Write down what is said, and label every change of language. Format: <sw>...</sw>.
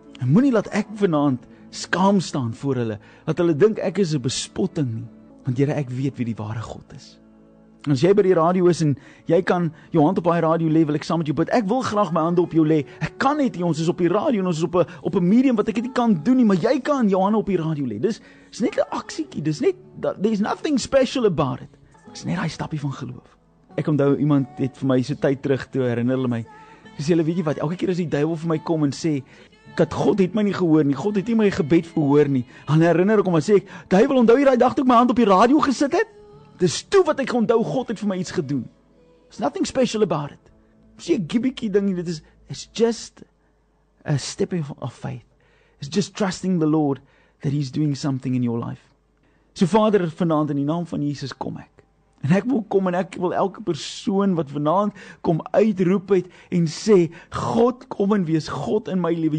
<af>En moenie laat ek vanaand skaam staan voor hulle, dat hulle dink ek is 'n bespotting nie, want Here, ek weet wie die ware God is. As jy by die radio is en jy kan jou hand op die radio lê, wil ek saam met jou bid. Ek wil graag my hande op jou lê. Ek kan net nie, ons is op die radio en ons is op 'n medium wat ek nie kan doen nie, maar jy kan jou hande op die radio lê. Dis net 'n aksietjie. Dis net</af> <en>that there's nothing special about it.</en> <af>Dis net daai stappie van geloof. Ek onthou iemand het vir my so tyd terug toe herinner hulle my. Dis hulle weet jy wat, elke keer as die duiwel vir my kom en sê dat God het my nie gehoor nie. God het nie my gebed verhoor nie. Dan herinner ek hom en sê ek, duiwel, onthou jy daai dag toe ek my hand op die radio gesit het? Dis toe wat ek onthou God het vir my iets gedoen.</af> <en>There's nothing special about it. See, gibbiekie ding,</en> <af>dit is</af> <en>just a stepping of faith. It's just trusting the Lord that he's doing something in your life.</en> <af>So Vader, vanaand in die naam van Jesus kom ek. En ek wil kom en ek wil elke persoon wat vanaand kom uitroep uit en sê, God, kom en wees God in my lewe.</af>